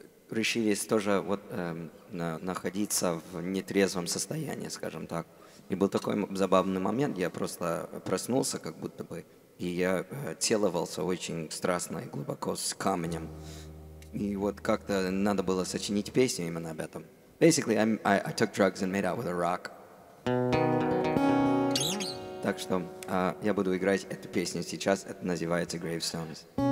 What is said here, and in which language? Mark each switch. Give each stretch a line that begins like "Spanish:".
Russian: Решились тоже вот находиться в нетрезвом состоянии, скажем так. И был такой забавный момент, я просто проснулся как будто бы, и я целовался очень страстно и глубоко с камнем. И вот как-то надо было сочинить песню именно об этом.
English: Basically, I took drugs and made out with a rock.
Russian: Так что я буду играть эту песню сейчас, это называется Gravestones.